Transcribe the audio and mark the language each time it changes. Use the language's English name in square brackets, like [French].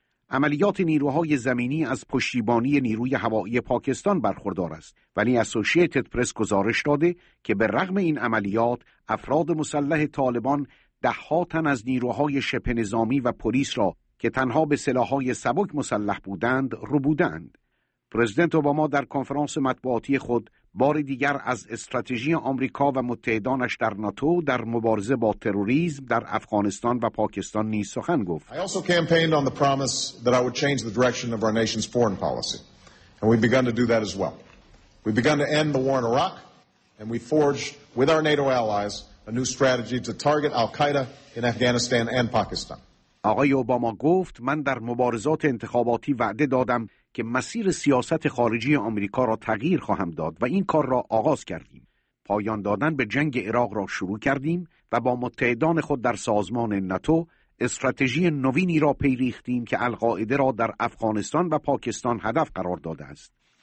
[Persian] عملیات نیروهای زمینی از پشتیبانی نیروی هوایی پاکستان برخوردار است، ولی اسوسییتد پرس گزارش داده که به رغم این عملیات افراد مسلح طالبان ده‌ها تن از نیروهای شبه نظامی و پلیس را که تنها به سلاح‌های سبک مسلح بودند ربودند. پرزیدنت اوباما در کنفرانس مطبوعاتی خود بار دیگر از استراتژی آمریکا و متحدانش در ناتو در مبارزه با تروریسم در افغانستان و پاکستان نیز سخن گفت. [English] I also campaigned on the promise that I would change the direction of our nation's foreign policy and we've begun to do that as well. We've begun to end the war in Iraq and we forged with our NATO allies a new strategy to target Al-Qaeda in Afghanistan and Pakistan. [Persian] آقای اوباما گفت من در مبارزات انتخاباتی وعده دادم که مسیر سیاست خارجی آمریکا را تغییر خواهم داد و این کار را آغاز کردیم. پایان دادن به جنگ عراق را شروع کردیم و با متحدان خود در سازمان ناتو استراتژی نوینی را پیریختیم که القاعده را در افغانستان و پاکستان هدف قرار داده است.